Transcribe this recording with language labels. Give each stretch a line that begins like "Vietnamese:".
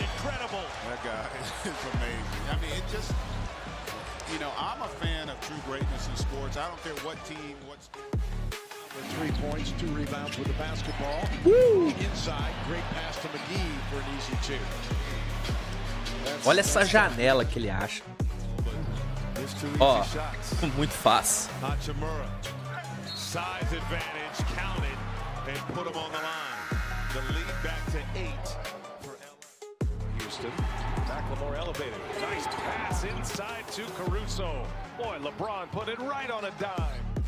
English: Incredible. That guy is amazing. I mean, it just, you know, I'm a fan of true greatness in sports. I don't care what team, what's. 3 points, two rebounds with the basketball. Woo! Inside, great pass to McGee for an easy two.
Portuguese: Olha essa janela que ele acha. Ó, muito fácil.
English: Hachimura. Size advantage counted and put him on the line. The lead back to eight for Houston. Mclemore elevated. Nice pass inside to Caruso. Boy, LeBron put it right on a dime.